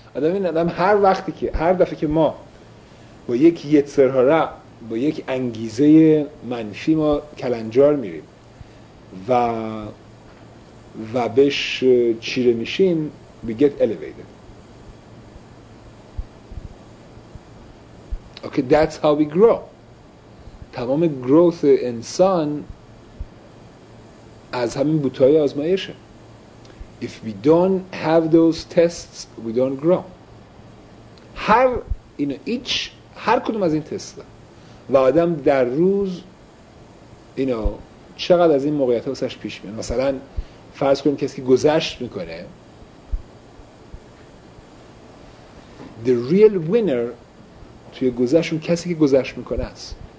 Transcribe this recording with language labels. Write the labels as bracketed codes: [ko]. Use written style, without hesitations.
[fa] آدم هر وقتی که هر دفعه که ما با یک یتسرهارا با یک انگیزه منفی ما کلنجار میریم و بهش چیره میشیم، [en] we get elevated. Okay, that's how we grow. [fa] تمام گروث انسان از همین بوتای آزمایشه. [en] If we don't have those tests, we don't grow. [fa] هر اینا ایچ هر کدوم از این تست‌ها و آدم در روز اینا چقدر از این موقعیت‌ها واسش پیش میاد. مثلا فرض کنید کسی که گذشت میکنه، [en] the real winner [fa] توی گذشت اون کسی که گذشت میکنه است.